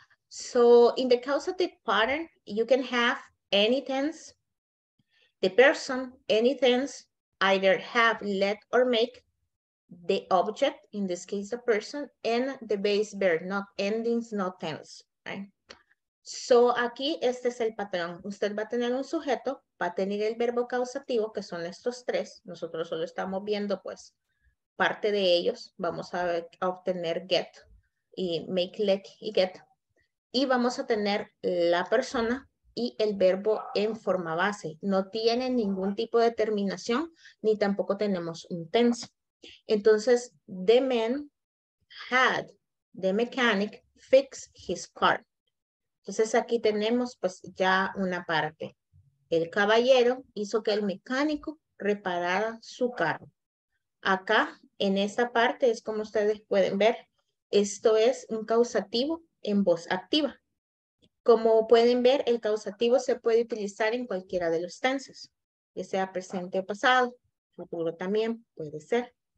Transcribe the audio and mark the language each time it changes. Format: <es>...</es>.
<en>So, in the causative pattern, you can have any tense, the person, any tense, either have, let, or make, the object, in this case, the person, and the base verb, not endings, not tense, right?</en> <es>So, aquí, este es el patrón. Usted va a tener un sujeto, va a tener el verbo causativo, que son estos tres. Nosotros solo estamos viendo, pues, parte de ellos. Vamos a, ver, a obtener get, y make, let, y get. Y vamos a tener la persona y el verbo en forma base. No tiene ningún tipo de terminación, ni tampoco tenemos un tense.</es> <en>Entonces, the man had the mechanic fix his car.</en> <es>Entonces, aquí tenemos pues ya una parte. El caballero hizo que el mecánico reparara su carro. Acá, en esta parte, es como ustedes pueden ver, esto es un causativo en voz activa. Como pueden ver, el causativo se puede utilizar en cualquiera de los tenses, ya sea presente o pasado, futuro también puede ser.</es>